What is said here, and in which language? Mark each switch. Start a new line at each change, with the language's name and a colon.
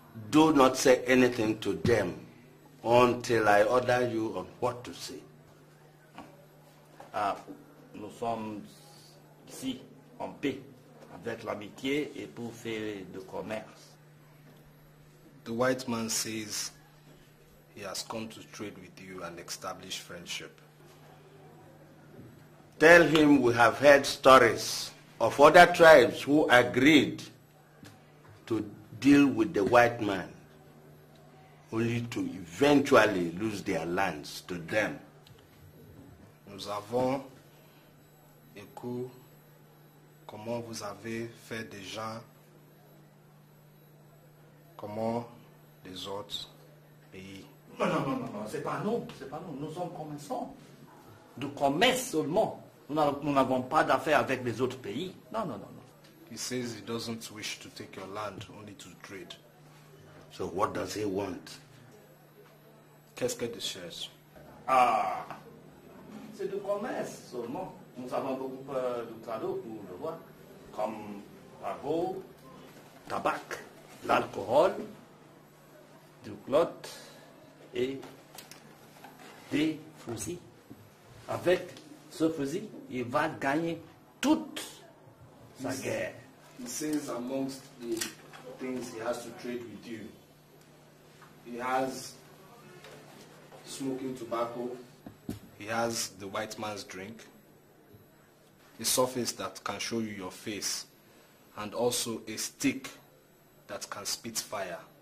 English: Do not say anything to them until I order you on what to say.
French: nous sommes ici en paix avec l'amitié et pour faire du commerce.
English: The white man says he has come to trade with you and establish friendship. Tell him we have heard stories of other tribes who agreed to deal with the white man, only to eventually lose their lands to them.
French: Nous avons écouté comment vous avez fait des gens, comment les autres pays. Non, c'est pas nous, nous sommes commerçants. Du commerce seulement, nous n'avons pas d'affaires avec les autres pays. Non.
English: He says he doesn't wish to take your land, only to trade. So what does he want?
French: Qu'est-ce que tu cherches? Ah, c'est du commerce seulement. Nous avons beaucoup de cadeaux pour le roi, comme bateau, tabac, l'alcool, du clot et des fusils. Avec ce fusil, il va gagner toute sa guerre.
English: He says amongst the things he has to trade with you, he has smoking tobacco, he has the white man's drink, a surface that can show you your face, and also a stick that can spit fire.